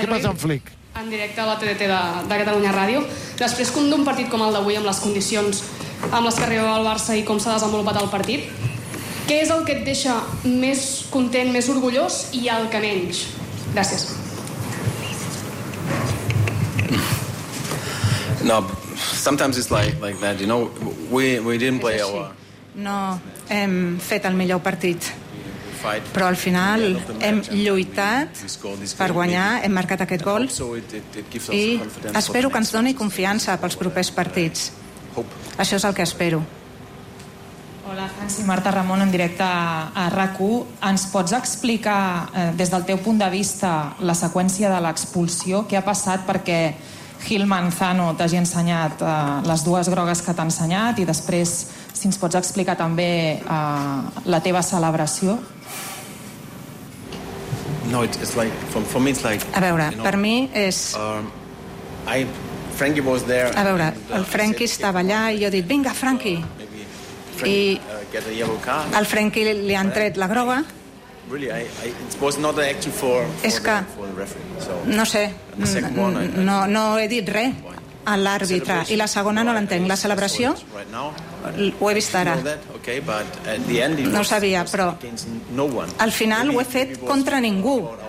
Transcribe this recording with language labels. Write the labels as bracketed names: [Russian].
[Catalan] Què passa amb Flick? En directe a la TDT de Catalunya Ràdio. Després d'un partit com el d'avui, amb les condicions amb les que arriba el Barça i com s'ha desenvolupat el partit, què és el que et deixa més content, més orgullós i el que menys? Gràcies. [English] No, sometimes it's like that, you know, we didn't play our... [Catalan] No hem fet el millor partit, però al final hem lluitat per guanyar, hem marcat aquest gol i espero que ens doni confiança pels propers partits. Això és el que espero. Hola, Franci. Marta Ramon, en directe a RAC1. Ens pots explicar, des del teu punt de vista, la seqüència de l'expulsió? Què ha passat perquè Gil Manzano t'hagi ensenyat les dues grogues que t'ha ensenyat i després... Si ens pots explicar també la teva celebració. [English] No, it's like for me it's like. [Catalan] A veure, [English] you know, [Catalan] per mi és. [English] Frankie was there. [Catalan] A veure, el Frankie estava allà i jo he dit, "Vinga, Frankie." El Frankie li han tret la groga. [English] Really, I it was not actually for the referee. So, [Catalan] no sé. No he dit res a l'àrbitre, i la segona no l'entenc. La celebració, ho he vist ara. No ho sabia, però al final ho he fet contra ningú.